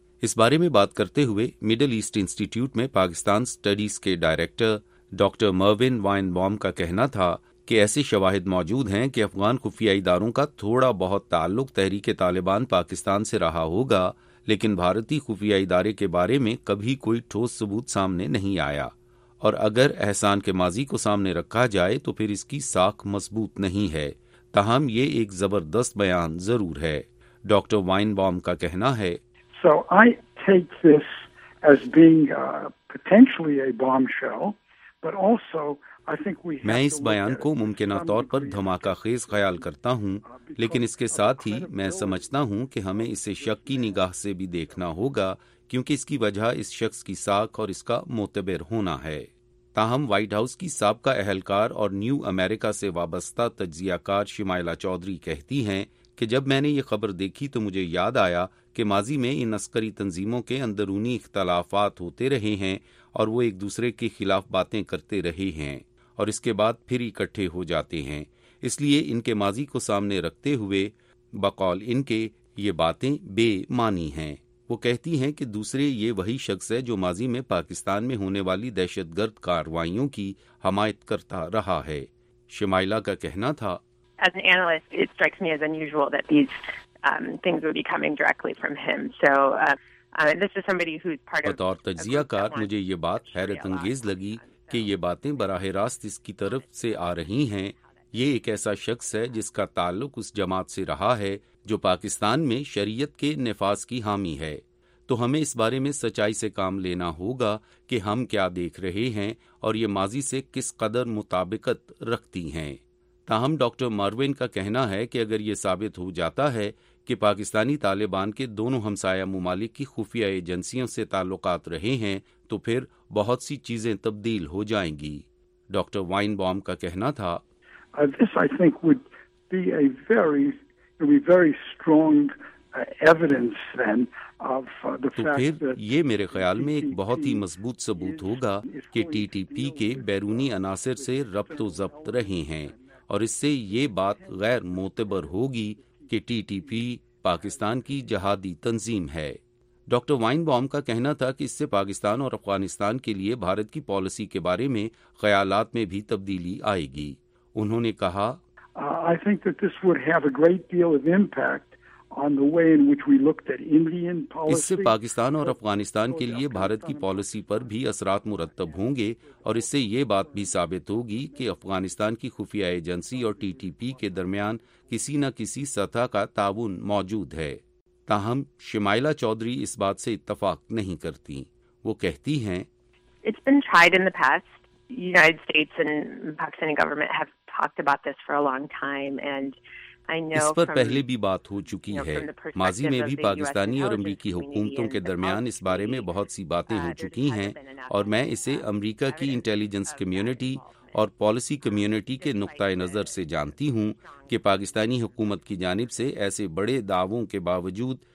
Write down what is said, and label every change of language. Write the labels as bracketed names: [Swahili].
[Urdu] اس بارے میں بات کرتے ہوئے مڈل ایسٹ انسٹیٹیوٹ میں پاکستان اسٹڈیز کے ڈائریکٹر ڈاکٹر مروین وائن بام کا کہنا تھا کہ ایسے شواہد موجود ہیں کہ افغان خفیہ اداروں کا تھوڑا بہت تعلق تحریک طالبان پاکستان سے رہا ہوگا، لیکن بھارتی خفیہ ادارے کے بارے میں کبھی کوئی ٹھوس ثبوت سامنے نہیں آیا، اور اگر احسان کے ماضی کو سامنے رکھا جائے تو پھر اس کی ساکھ مضبوط نہیں ہے، تاہم یہ ایک زبردست بیان ضرور ہے۔ ڈاکٹر وائن بام کا کہنا ہے، [English] So I take this as being potentially a bombshell, but also I think we [Urdu] میں اس بیان کو ممکنہ طور پر دھماکہ خیز خیال کرتا ہوں، لیکن اس کے ساتھ ہی میں سمجھتا ہوں کہ ہمیں اسے شک کی نگاہ سے بھی دیکھنا ہوگا، کیونکہ اس کی وجہ اس شخص کی ساکھ اور اس کا معتبر ہونا ہے۔ تاہم وائٹ ہاؤس کی سابقہ اہلکار اور نیو امریکہ سے وابستہ تجزیہ کار شمائلہ چودھری کہتی ہیں کہ جب میں نے یہ خبر دیکھی تو مجھے یاد آیا کہ ماضی میں ان عسکری تنظیموں کے اندرونی اختلافات ہوتے رہے ہیں اور وہ ایک دوسرے کے خلاف باتیں کرتے رہے ہیں اور اس کے بعد پھر اکٹھے ہو جاتے ہیں، اس لیے ان کے ماضی کو سامنے رکھتے ہوئے بقول ان کے یہ باتیں بے معنی ہیں۔ وہ کہتی ہیں کہ دوسرے یہ وہی شخص ہے جو ماضی میں پاکستان میں ہونے والی دہشت گرد کاروائیوں کی حمایت کرتا رہا ہے۔ شمائلہ کا کہنا تھا، [English] As an analyst, it strikes me as unusual that these things would be coming directly from him. So this is somebody who's part of [Urdu] بطور تجزیہ کار مجھے یہ بات حیرت انگیز لگی کہ یہ باتیں براہ راست اس کی طرف سے آ رہی ہیں۔ یہ ایک ایسا شخص ہے جس کا تعلق اس جماعت سے رہا ہے جو پاکستان میں شریعت کے نفاذ کی حامی ہے، تو ہمیں اس بارے میں سچائی سے کام لینا ہوگا کہ ہم کیا دیکھ رہے ہیں اور یہ ماضی سے کس قدر مطابقت رکھتی ہیں۔ تاہم ڈاکٹر مروین کا کہنا ہے کہ اگر یہ ثابت ہو جاتا ہے کہ پاکستانی طالبان کے دونوں ہمسایہ ممالک کی خفیہ ایجنسیوں سے تعلقات رہے ہیں تو پھر بہت سی چیزیں تبدیل ہو جائیں گی۔ ڈاکٹر وائن بام کا کہنا تھا، [English] This I think would be a very, strong evidence then of the fact that [Urdu] تو پھر یہ میرے خیال میں ایک بہت ہی مضبوط ثبوت ہوگا کہ ٹی ٹی پی کے بیرونی عناصر سے ربط و ضبط رہے ہیں، اور اس سے یہ بات غیر معتبر ہوگی کہ ٹی ٹی پی پاکستان کی جہادی تنظیم ہے۔ ڈاکٹر وائن بام کا کہنا تھا کہ اس سے پاکستان اور افغانستان کے لیے بھارت کی پالیسی کے بارے میں خیالات میں بھی تبدیلی آئے گی۔ انہوں نے کہا، [English] I think that this would have a great deal of impact on the way in which we looked at Indian policy. [Urdu] اس سے پاکستان اور افغانستان کے لیے بھارت کی پالیسی پر بھی اثرات مرتب ہوں گے، اور اس سے یہ بات بھی ثابت ہوگی کہ افغانستان کی خفیہ ایجنسی اور ٹی ٹی پی کے درمیان کسی نہ کسی سطح کا تعاون موجود ہے۔ تاہم شمائلہ چودھری اس بات سے اتفاق نہیں کرتی۔ وہ کہتی ہیں، [English] It's been tried in the past. United States and Pakistani government have talked about this for a long time and [Urdu] اس پر پہلے بھی بات ہو چکی ہے۔ ماضی میں بھی پاکستانی اور امریکی حکومتوں کے درمیان اس بارے میں بہت سی باتیں ہو چکی ہیں، اور میں اسے امریکہ کی انٹیلیجنس کمیونٹی اور پالیسی کمیونٹی کے نقطۂ نظر سے جانتی ہوں کہ پاکستانی حکومت کی جانب سے ایسے بڑے دعووں کے باوجود